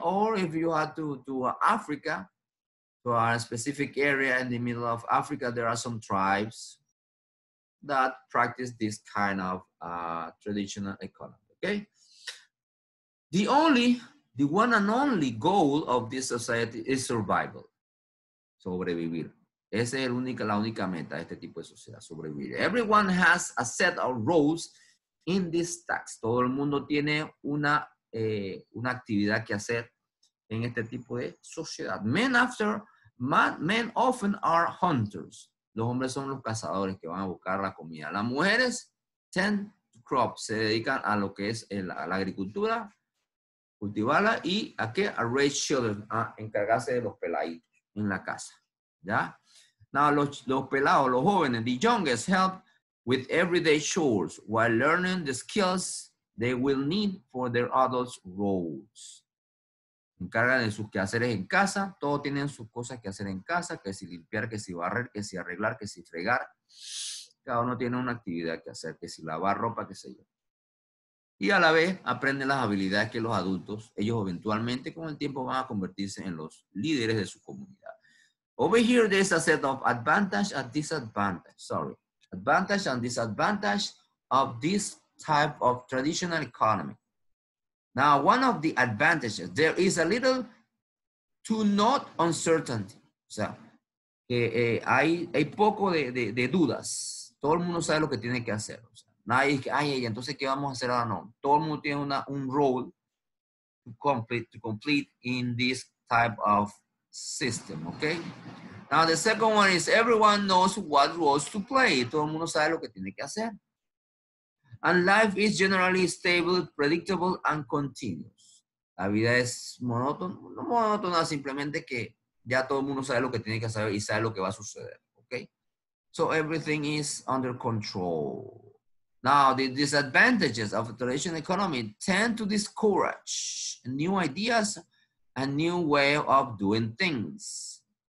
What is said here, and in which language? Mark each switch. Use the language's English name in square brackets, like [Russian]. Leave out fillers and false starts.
[English] Or if you had to Africa, to a specific area in the middle of Africa, there are some tribes that practice this kind of traditional economy, okay? The one and only goal of this society is survival. [Spanish] Sobrevivir. Esa es la única meta de este tipo de sociedad, sobrevivir. [English] Everyone has a set of roles in this task. [Spanish] Todo el mundo tiene una actividad que hacer en este tipo de sociedad. [English] Men often are hunters. [Spanish] Los hombres son los cazadores que van a buscar la comida. Las mujeres [English] tend to crop, [Spanish] se dedican a lo que es la agricultura, cultivarla y a qué, a [English] raise children, [Spanish] a encargarse de los peladitos en la casa, ¿ya? [English] Now, [Spanish] los pelados, los jóvenes, [English] the youngest help with everyday chores while learning the skills they will need for their adult roles. [Spanish] Encargan de sus quehaceres en casa. Todos tienen sus cosas que hacer en casa, que si limpiar, que si barrer, que si arreglar, que si fregar. Cada uno tiene una actividad que hacer, que si lavar ropa, qué sé yo. Y a la vez aprenden las habilidades que los adultos, ellos eventualmente con el tiempo van a convertirse en los líderes de su comunidad. [English] Over here, there's a set of advantage and disadvantage of this type of traditional economy. Now, one of the advantages, there is a little to not uncertainty. [Spanish] O sea, hay poco de dudas. Todo el mundo sabe lo que tiene que hacer. O sea, nadie dice, ay, entonces, ¿qué vamos a hacer ahora? No, todo el mundo tiene un [English] role to complete in this type of system, [Spanish] okay? [English] Now, the second one is everyone knows what roles to play. [Spanish] Todo el mundo sabe lo que tiene que hacer. [English] And life is generally stable, predictable, and continuous. [Spanish] La vida es monótona. No monótona, simplemente que ya todo el mundo sabe lo que tiene que hacer y sabe lo que va a suceder, okay? [English] So, everything is under control. Now, the disadvantages of a traditional economy tend to discourage new ideas, a new way of doing things.